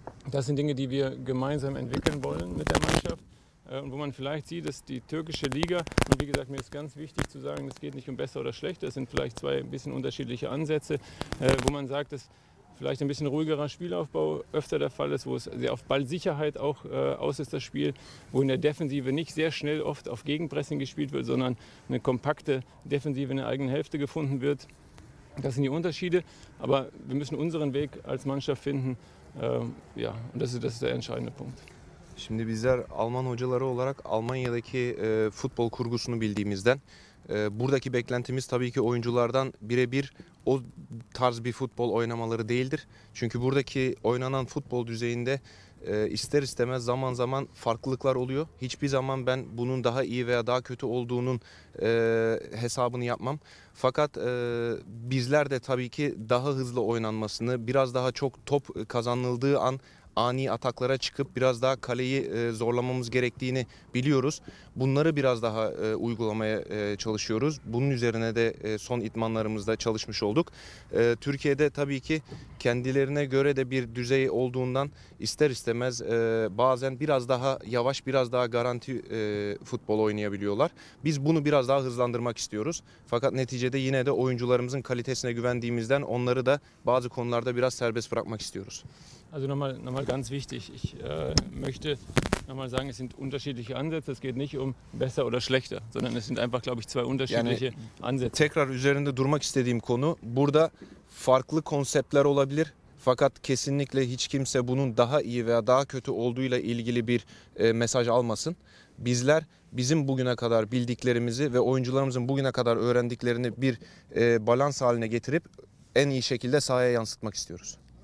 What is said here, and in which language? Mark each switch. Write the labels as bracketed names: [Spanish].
[German] Das sind Dinge, die wir gemeinsam entwickeln wollen mit der Mannschaft. Und wo man vielleicht sieht, dass die türkische Liga, und wie gesagt, mir ist ganz wichtig zu sagen, es geht nicht um besser oder schlechter, es sind vielleicht zwei ein bisschen unterschiedliche Ansätze, wo man sagt, dass vielleicht ein bisschen ruhigerer Spielaufbau öfter der Fall ist, wo es sehr auf Ballsicherheit auch aus ist, das Spiel, wo in der Defensive nicht sehr schnell oft auf Gegenpressing gespielt wird, sondern eine kompakte Defensive in der eigenen Hälfte gefunden wird. Das sind die Unterschiede, aber wir müssen unseren Weg als Mannschaft finden, und das ist der entscheidende Punkt. [Turkish] Şimdi bizler Alman hocaları olarak Almanya'daki futbol kurgusunu bildiğimizden Buradaki beklentimiz tabii ki oyunculardan birebir o tarz bir futbol oynamaları değildir. Çünkü buradaki oynanan futbol düzeyinde ister istemez zaman zaman farklılıklar oluyor. Hiçbir zaman ben bunun daha iyi veya daha kötü olduğunun hesabını yapmam. Fakat bizler de tabii ki daha hızlı oynanmasını, biraz daha çok top kazanıldığı an ani ataklara çıkıp biraz daha kaleyi zorlamamız gerektiğini biliyoruz. Bunları biraz daha uygulamaya çalışıyoruz. Bunun üzerine de son idmanlarımızda çalışmış olduk. Türkiye'de tabii ki kendilerine göre de bir düzey olduğundan ister istemez bazen biraz daha yavaş, biraz daha garanti futbol oynayabiliyorlar. Biz bunu biraz daha hızlandırmak istiyoruz. Fakat neticede yine de oyuncularımızın kalitesine güvendiğimizden onları da bazı konularda biraz serbest bırakmak istiyoruz. [German] Also nochmal ganz wichtig, ich möchte nochmal sagen, es sind unterschiedliche Ansätze, es geht nicht um besser oder schlechter, sondern es sind einfach, glaube ich, zwei unterschiedliche Ansätze. [Turkish] Tekrar üzerinde durmak istediğim konu, burada farklı konseptler olabilir, fakat kesinlikle hiç kimse bunun daha iyi veya daha kötü olduğuyla ilgili bir mesaj almasın. Bizler bizim bugüne kadar bildiklerimizi ve oyuncularımızın bugüne kadar öğrendiklerini bir balans haline getirip en iyi şekilde sahaya yansıtmak istiyoruz.